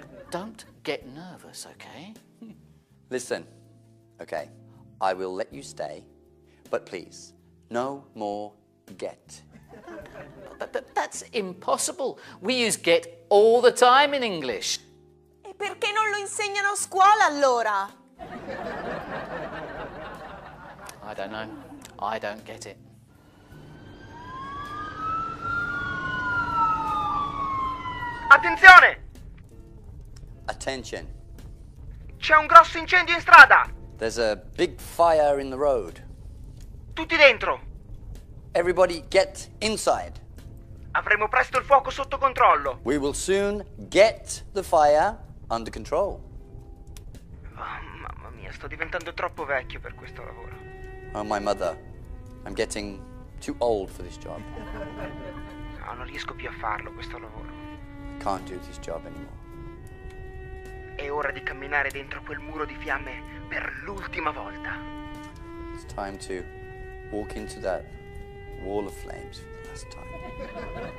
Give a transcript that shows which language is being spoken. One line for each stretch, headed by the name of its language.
English: Don't get nervous, okay? Listen, okay, I will let you stay. But please, no more get. That's impossible. We use get all the time in English.
Italian: E perché non lo insegnano a scuola allora?
English: I don't know. I don't get it.
Italian: Attenzione!
English: Attention.
Italian: C'è un grosso incendio in strada.
English: There's a big fire in the road.
Italian: Tutti dentro.
English: Everybody get inside.
Italian: Avremo presto il fuoco sotto controllo.
English: We will soon get the fire under control.
Italian: Oh, mamma mia, sto diventando troppo vecchio per questo lavoro.
English: Oh, my mother. I'm getting too old for this job.
Italian: No, non riesco più a farlo questo lavoro.
English: I can't do this job anymore.
Italian: È ora di camminare dentro quel muro di fiamme per l'ultima volta.
English: It's time to walk into that wall of flames for the last time.